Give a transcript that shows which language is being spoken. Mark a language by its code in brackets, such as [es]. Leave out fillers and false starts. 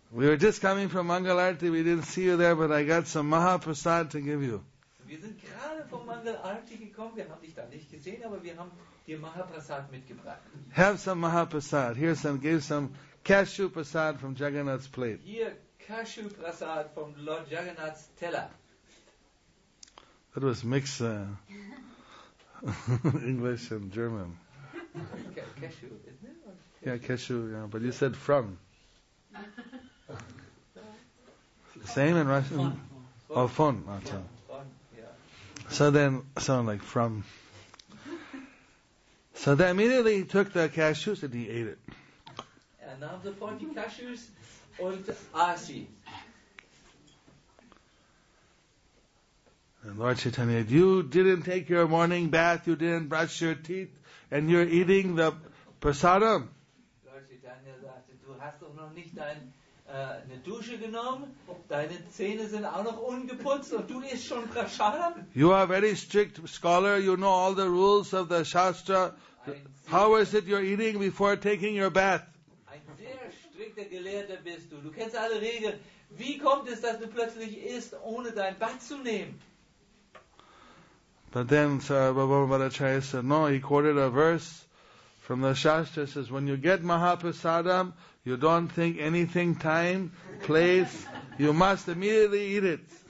[en] We were just coming from Mangalarti, we didn't see you there, but I got some Mahaprasad to give you. [de] Wir sind gerade vom Mangalarti gekommen, wir haben dich da nicht gesehen, aber wir haben dir Mahaprasad mitgebracht. [en] Have some Mahaprasad. Here some, give some Cashew Prasad from Jagannath's plate. [de] Hier Cashew Prasad from Lord Jagannath's teller. [en] That was mixed English and German. Cashew, isn't it? Cashew. Yeah, cashew, yeah. But you said from. Same in Russian? Fon. Oh, von. Yeah. Fon. So then, sound like from. So then immediately he took the cashews and he ate it. [de] Er nahm sofort die Cashews und aß sie. [en] And Lord Chaitanya, you didn't take your morning bath, you didn't brush your teeth, and you're eating the prasadam. [de] Lord Chaitanya sagte, du hast doch noch nicht eine Dusche genommen, deine Zähne sind auch noch ungeputzt und du isst schon prasadam. [en] You are a very strict scholar, you know all the rules of the Shastra. How is it you're eating before taking your bath? [de] Ein sehr strikter Gelehrter bist du. Du kennst alle Regeln. Wie kommt es, dass du plötzlich isst, ohne dein Bad zu nehmen? [en] But then Sarvabhauma Bhattacharya said, no, he quoted a verse from the Shastra. Says, when you get Mahaprasadam, you don't think anything, time, place, you must immediately eat it.